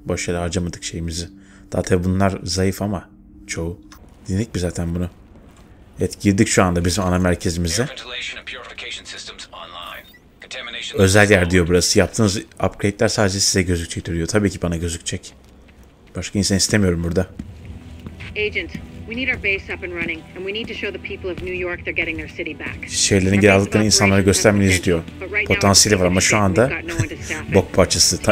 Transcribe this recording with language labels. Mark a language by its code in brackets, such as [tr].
[tr] Boş yere harcamadık şeyimizi. Daha tabii bunlar zayıf ama çoğu. Dinledik mi zaten bunu? Evet girdik şu anda bizim ana merkezimize. Özel yer diyor burası. Yaptığınız upgrade'ler sadece size gözükecek diyor. Tabii ki bana gözükecek. Başka insan istemiyorum burada. [en] Agent, we need our base up and running and we need to show the people of New York they're getting their city back. [tr] Şehirlerin geri aldıklarını insanlara göstermeniz diyor. Potansiyeli var ama şu anda bok parçası.